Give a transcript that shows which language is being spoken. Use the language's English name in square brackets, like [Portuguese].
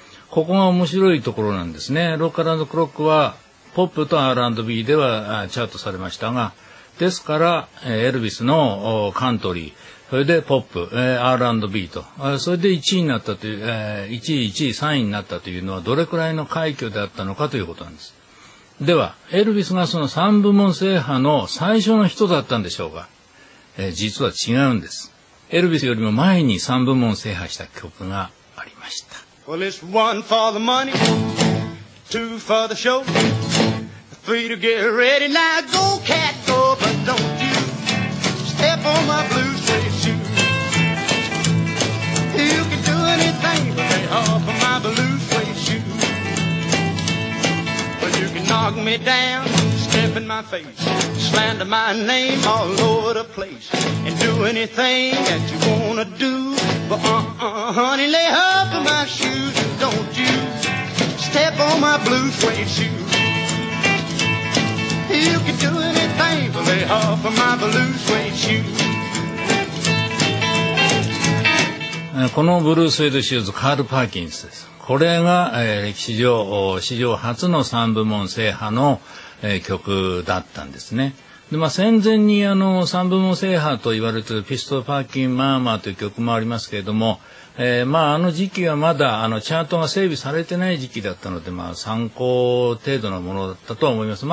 [Japanese] ここが面白いところなんですね。ロカル&クロックは、ポップと R&B ではチャートされましたが、ですから、エルビスのカントリー、それでポップ、R&B と、それで1位になったという、1位、1位、3位になったというのはどれくらいの快挙であったのかということなんです。では、エルビスがその3部門制覇の最初の人だったんでしょうか、実は違うんです。エルビスよりも前に3部門制覇した曲がありました。 [English] Well, it's one for the money, two for the show, three to get ready now, go cat go, but don't you step on my blue. You can do anything but lay off of my blue suede shoe. But you can knock me down, step in my face, slander my name all over the place, and do anything that you wanna do. But honey, lay off of my shoes, and don't you step on my blue suede shoe. You can do anything but lay off of my blue suede shoe. [Japanese] このブルースウェードシューズ、カール・パーキンスです。これが、歴史上、史上初の3部門制覇の、曲だったんですね。で、まあ、戦前に3部門制覇と言われているピストル・パーキン・マーマーという曲もありますけれども、まあ、あの時期はまだチャートが整備されてない時期だったので、まあ、参考程度のものだったとは思います。